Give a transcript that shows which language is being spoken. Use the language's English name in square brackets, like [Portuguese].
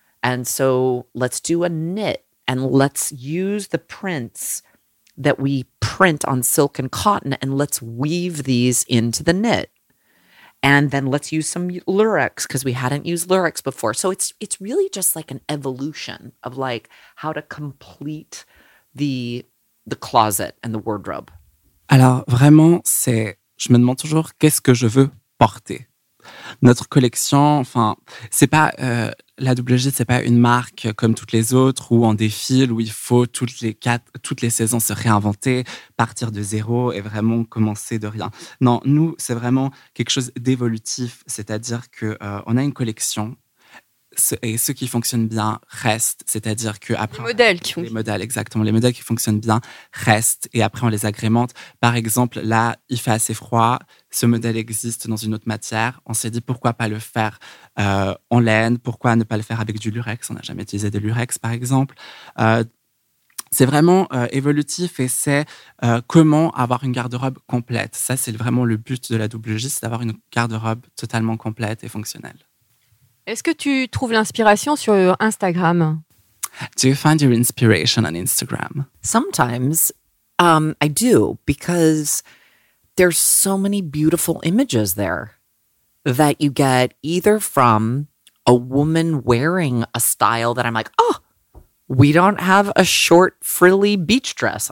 [English] And so let's do a knit and let's use the prints that we print on silk and cotton and let's weave these into the knit. And then let's use some lurex because we hadn't used lurex before. So it's really just like an evolution of like how to complete the closet and the wardrobe. [French] Alors vraiment, c'est, je me demande toujours qu'est-ce que je veux porter. Notre collection, enfin, c'est pas la WG, c'est pas une marque comme toutes les autres où on défile, où il faut toutes les saisons se réinventer, partir de zéro et vraiment commencer de rien. Non, nous, c'est vraiment quelque chose d'évolutif, c'est-à-dire que on a une collection. Et ceux qui fonctionnent bien restent, c'est-à-dire que après les modèles qui les modèles exactement les modèles qui fonctionnent bien restent et après on les agrémente. Par exemple, là il fait assez froid, ce modèle existe dans une autre matière, on s'est dit pourquoi pas le faire en laine, pourquoi ne pas le faire avec du lurex, on n'a jamais utilisé de lurex par exemple. C'est vraiment évolutif et c'est comment avoir une garde-robe complète. Ça, c'est vraiment le but de la WG, c'est d'avoir une garde-robe totalement complète et fonctionnelle. Est-ce que tu trouves l'inspiration sur Instagram? [English] Do you find your inspiration on Instagram? Sometimes I do, because there's so many beautiful images there that you get either from a woman wearing a style that I'm like, oh, we don't have a short, frilly beach dress.